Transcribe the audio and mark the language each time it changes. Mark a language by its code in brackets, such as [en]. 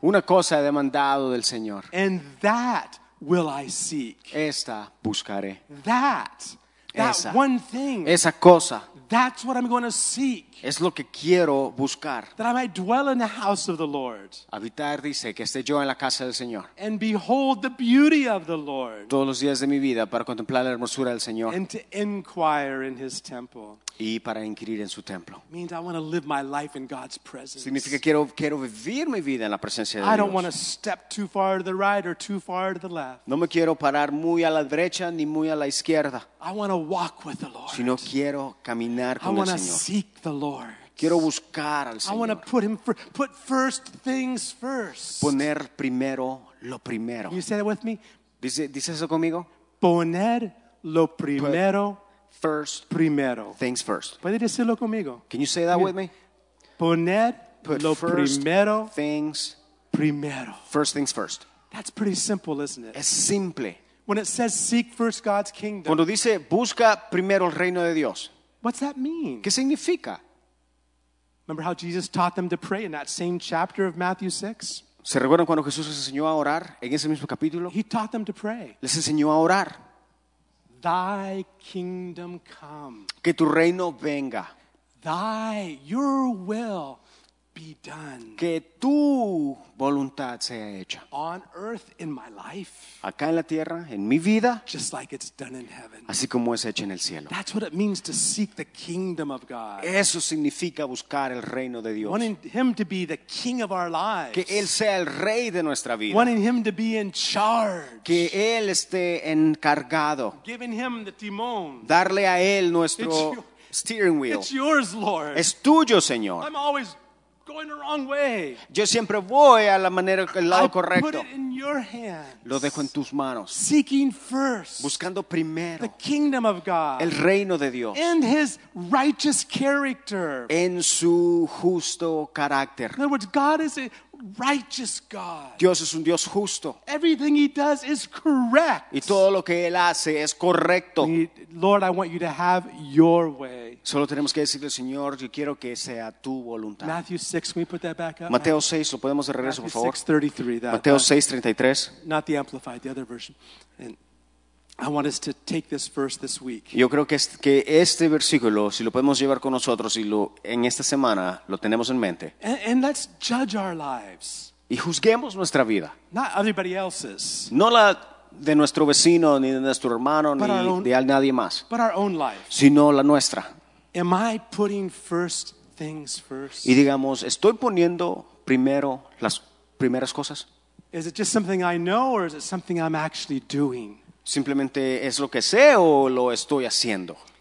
[es] Una cosa he demandado del Señor. [en] And that will I seek. [es] Esta buscaré. [en] That one thing. [es] Esa cosa. [en] That's what I'm going to seek. [es] Es lo que quiero buscar. [en] That I might dwell in the house of the Lord. [es] Habitar, dice, que esté yo en la casa del Señor. [en] And behold the beauty of the Lord. [es] Todos los días de mi vida para contemplar la hermosura del Señor. [en] And to inquire in his temple. [es] Y para inquirir en su templo. [en] Means I want to live my life in God's presence. [es] Significa quiero vivir mi vida en la presencia de Dios. [en] I don't want to step too far to the right or too far to the left. [es] No me quiero parar muy a la derecha ni muy a la izquierda. [en] I want to walk with the Lord. [es] Sino quiero caminar con el Señor. [en] I want to seek the Lord. [es] Quiero buscar al Señor. [en] I want to put first things first. [es] Poner primero lo primero. [en] Can you say that with me? [es] Dice eso conmigo. Poner lo primero. [en] First, [es] primero. [en] Things first. [es] ¿Puede decirlo conmigo? [en] Can you say that with me? [es] Poner lo primero. [en] Things [es] primero. [en] First things first. That's pretty simple, isn't it? [es] Es simple. [en] When it says seek first God's kingdom. [es] Cuando dice busca primero el reino de Dios. [en] What's that mean? [es] ¿Qué significa? [en] Remember how Jesus taught them to pray in that same chapter of Matthew 6? [es] ¿Se recuerdan cuando Jesús les enseñó a orar en ese mismo capítulo? [en] He taught them to pray. [es] Les enseñó a orar. [en] Thy kingdom come. [es] Que tu reino venga. [en] Thy, your will be done. [es] Que tu voluntad sea hecha. [en] On earth in my life. [es] Acá en la tierra, en mi vida. [en] Just like it's done in heaven. [es] Así como es hecha en el cielo. [en] That's what it means to seek the kingdom of God. [es] Eso significa buscar el reino de Dios. [en] Wanting him to be the king of our lives. [es] Que él sea el rey de nuestra vida. [en] Wanting him to be in charge. [es] Que él esté encargado. [en] Giving him the timón. [es] Darle a él nuestro steering wheel. [en] It's yours, Lord. [es] Es tuyo, Señor. [en] I'm always going the wrong way. [es] Yo siempre voy a la manera, el lado correcto. [en] Put it in your hands. [es] Lo dejo en tus manos. [en] Seeking first. [es] Buscando primero. [en] The kingdom of God. [es] El reino de Dios. [en] And his righteous character. [es] En su justo carácter. [en] In other words, God is a righteous God. [es] Dios es un Dios justo. [en] Everything he does is correct. [es] Y todo lo que él hace es correcto. [en] Lord, I want you to have your way. [es] Solo tenemos que decirle, Señor, yo quiero que sea tu voluntad. [en] Matthew 6, can we put that back up? [es] Mateo 6, lo podemos de regreso, [en] Matthew [es] por favor. [en] 6:33, that, [es] Mateo 6:33. [en] Not the Amplified, the other version. And I want us to take this verse this week. [es] Yo creo que este versículo, si lo podemos llevar con nosotros y en esta semana lo tenemos en mente. [en] And let's judge our lives. [es] Y juzguemos nuestra vida. [en] Not everybody else's. [es] No la de nuestro vecino, ni de nuestro hermano, ni de nadie más. [en] But our own life. [es] Sino la nuestra. [en] Am I putting first things first? [es] Y digamos, ¿estoy poniendo primero las primeras cosas? [en] Is it just something I know, or is it something I'm actually doing? [es] Simplemente es lo que sé o lo estoy haciendo.